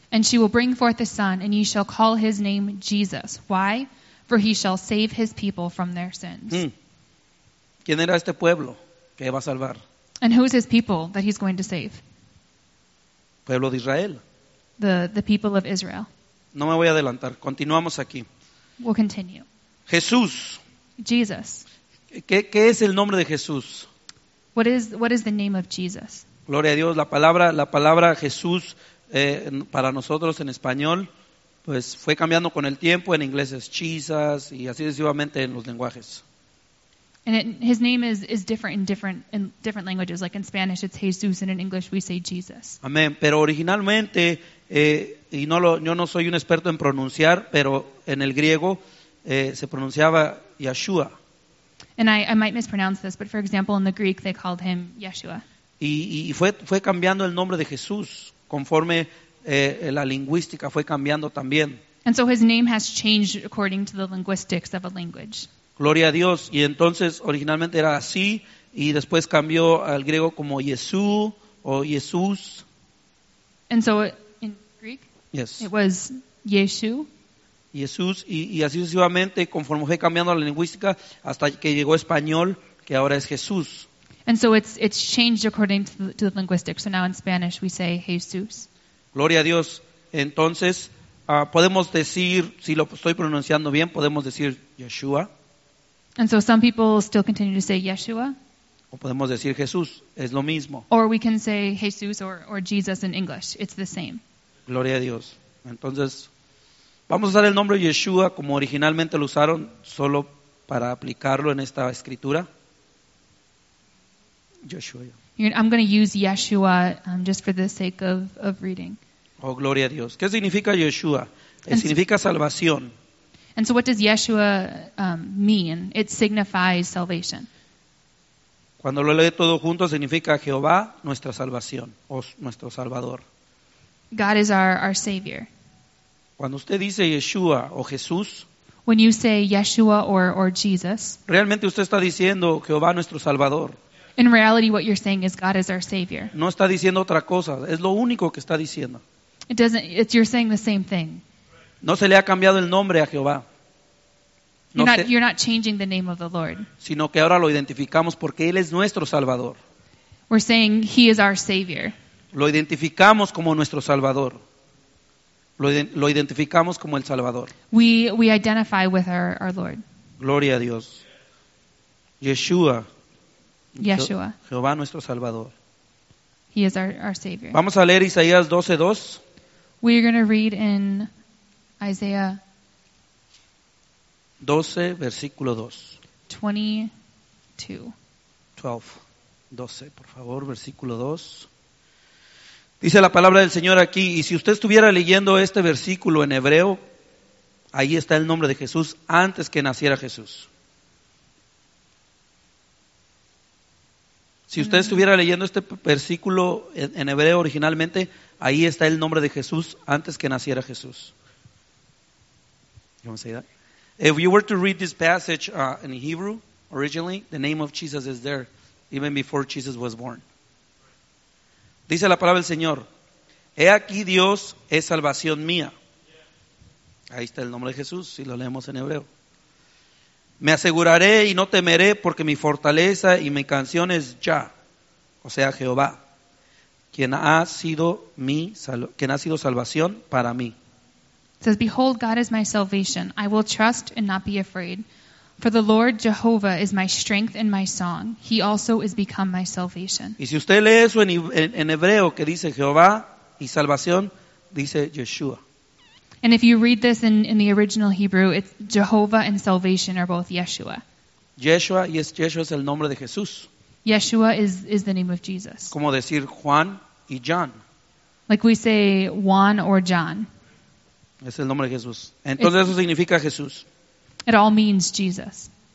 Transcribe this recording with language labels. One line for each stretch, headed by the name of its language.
English: And she will bring forth a son and you shall call his name Jesus. Why? For he shall save his people from their sins.
Spanish: ¿Quién era este pueblo que va a salvar?
English: And who is his people that he's going to save?
Spanish: Pueblo de Israel.
English: The people of Israel.
Spanish: No me voy a adelantar. Continuamos aquí.
English: We'll continue.
Spanish: Jesús.
English: Jesus.
Spanish: ¿Qué es el nombre de Jesús?
English: What is the name of Jesus?
Spanish: Gloria a Dios. La palabra Jesús para nosotros en español. Pues fue cambiando con el tiempo, en inglés es Jesus y así sucesivamente en los lenguajes.
English: And his name is different in different languages, like in Spanish it's Jesus and in English we say Jesus.
Spanish: Amén, pero originalmente yo no soy un experto en pronunciar, pero en el griego se pronunciaba Yeshua.
English: And I might mispronounce this, but for example in the Greek they called him Yeshua.
Spanish: Y fue cambiando el nombre de Jesús conforme la lingüística fue cambiando también.
English: And so his name has changed according to the linguistics of a language.
Spanish: Gloria a Dios. Y entonces originalmente era así y después cambió al griego como Yesú o Jesús.
English: And so in Greek, yes. It was Yeshu.
Spanish: Jesús, y así sucesivamente, conforme fue cambiando la lingüística, hasta que llegó español, que ahora es Jesús.
English: And so it's changed according to the linguistics. So now in Spanish we say Jesús.
Spanish: Gloria a Dios. Entonces, podemos decir, si lo estoy pronunciando bien, podemos decir Yeshua.
English: And so some people still continue to say Yeshua.
Spanish: O podemos decir Jesús, es lo mismo.
English: Or we can say Jesús or Jesus in English. It's the same.
Spanish: Gloria a Dios. Entonces, vamos a usar el nombre Yeshua como originalmente lo usaron, solo para aplicarlo en esta escritura.
English: I'm going to use Yeshua just for the sake of reading.
Spanish: Oh, gloria a Dios. ¿Qué significa Yeshua? Significa salvación.
English: And so what does Yeshua mean? It signifies salvation.
Spanish: Cuando lo lee todo junto, significa Jehová, nuestra salvación, o nuestro Salvador.
English: God is our Savior.
Spanish: Cuando usted dice Yeshua o Jesús,
English: when you say Yeshua or Jesus,
Spanish: realmente usted está diciendo Jehová, nuestro Salvador.
English: In reality, what you're saying is God is our Savior.
Spanish: No está diciendo otra cosa, es lo único que está diciendo.
English: You're saying the same thing.
Spanish: No se le ha cambiado el nombre a Jehová.
English: You're not changing the name of the Lord.
Spanish: Sino que ahora lo identificamos porque Él es nuestro Salvador.
English: We're saying He is our Savior.
Spanish: Lo identificamos como nuestro Salvador. Lo identificamos como el Salvador.
English: We identify with our Lord.
Spanish: Gloria a Dios. Yeshua.
English: Yeshua.
Spanish: Jehová nuestro Salvador.
English: He is our Savior.
Spanish: Vamos a leer Isaías 12:2.
English: We are going to read in Isaiah
Spanish: 12, versículo 2.
English: 22.
Spanish: 12, por favor, versículo 2. Dice la palabra del Señor aquí, y si usted estuviera leyendo este versículo en hebreo, ahí está el nombre de Jesús antes que naciera Jesús. Si usted estuviera leyendo este versículo en hebreo originalmente, ahí está el nombre de Jesús antes que naciera Jesús. ¿Cómo se dice?
English: If you were to read this passage in Hebrew originally, the name of Jesus is there, even before Jesus was born.
Spanish: Dice la palabra del Señor, he aquí Dios es salvación mía. Ahí está el nombre de Jesús, si lo leemos en hebreo. Me aseguraré y no temeré, porque mi fortaleza y mi canción es Yah, o sea Jehová, quien ha sido salvación para mí.
English: It says, behold, God is my salvation. I will trust and not be afraid. For the Lord Jehovah is my strength and my song. He also is become my salvation.
Spanish: Y si usted lee eso en hebreo que dice Jehová y salvación, dice Yeshua.
English: And if you read this in the original Hebrew, it's Jehovah and salvation are both Yeshua.
Spanish: Yeshua, yes, Yeshua es el nombre de Jesús.
English: Yeshua is the name of Jesus.
Spanish: Como decir Juan y John.
English: Like we say Juan or John.
Spanish: Es el nombre de Jesús. Entonces eso significa Jesús.
English: It all means Jesus.